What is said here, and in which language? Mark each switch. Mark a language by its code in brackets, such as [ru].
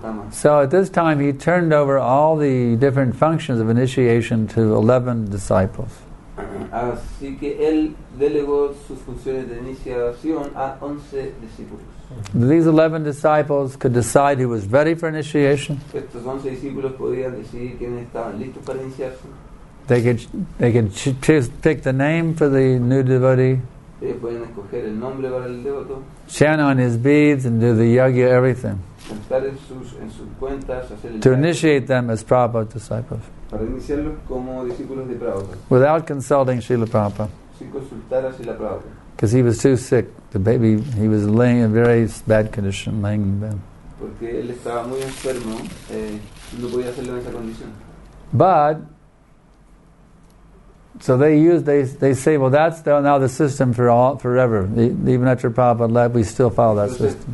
[en] So at this time he turned over all the different functions of initiation to 11 disciples. [es] Así que él delegó sus funciones de iniciación a 11 discípulos. [en] These 11 disciples could decide who was ready for initiation. [es] Estos 11 discípulos podían decidir quiénes estaban listos para iniciarse. [en] They could pick the name for the new devotee. [es] Ellos podían escoger el nombre para el devoto. [en] Chant on his beads and do the yagya, everything. [es] Cantar en sus cuentas, hacer el [en] to initiate them as Prabhupada disciples. [es] Para iniciarlos como discípulos de Prabhupada. [en] Without consulting Srila Prabhupada. [es] Sin consultar a Srila Prabhupada. [en] Because he was too sick. The baby, he was laying in very bad condition, laying in bed. [es] Porque él estaba muy enfermo, no podía hacerlo en esa condición. [en] But, so they say, well, that's now the system for all forever. Even after Prabhupada left, we still follow that system.